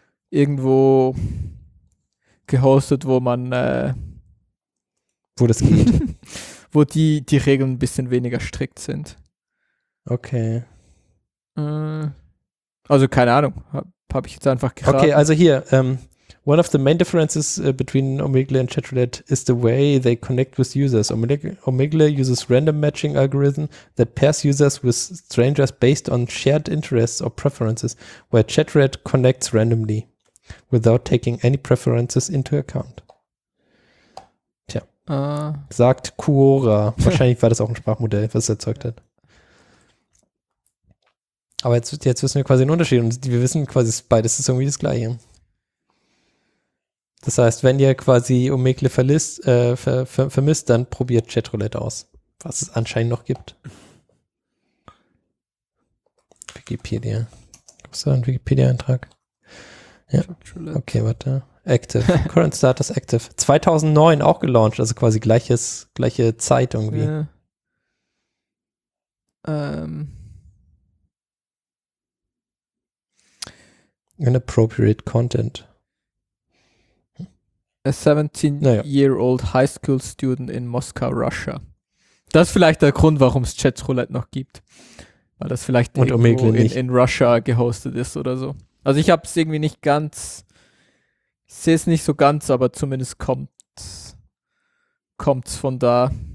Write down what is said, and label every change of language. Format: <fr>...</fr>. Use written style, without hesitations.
<de>Irgendwo gehostet, wo man. Wo das geht. Wo die Regeln ein bisschen weniger strikt sind. Okay. Also keine Ahnung. Hab ich jetzt einfach geraten. Okay, also hier.</de> <en>One of the main differences between Omegle and Chatroulette is the way they connect with users. Omegle uses random matching algorithm that pairs users with strangers based on shared interests or preferences, where Chatroulette connects randomly without taking any preferences into account.</en> <de>Tja. Sagt Quora. Wahrscheinlich war das auch ein Sprachmodell, was es erzeugt hat. Aber jetzt wissen wir quasi den Unterschied und wir wissen quasi, beides ist irgendwie das Gleiche. Das heißt, wenn ihr quasi Omegle vermisst, dann probiert Chatroulette aus, was es anscheinend noch gibt. Wikipedia. Gibt es da einen Wikipedia-Eintrag? Ja. Chatroulette. Okay, warte. Active. Current Status Active. 2009 auch gelauncht, also quasi gleiche Zeit irgendwie. Ja.</de> <en>Inappropriate Content. A 17-year-old high school student in Moskau, Russia.</en> <de>Das ist vielleicht der Grund, warum es Chatroulette noch gibt. Weil das vielleicht und irgendwo in Russia gehostet ist oder so. Also ich habe es irgendwie nicht ganz, ich sehe es nicht so ganz, aber zumindest kommt es von da.</de>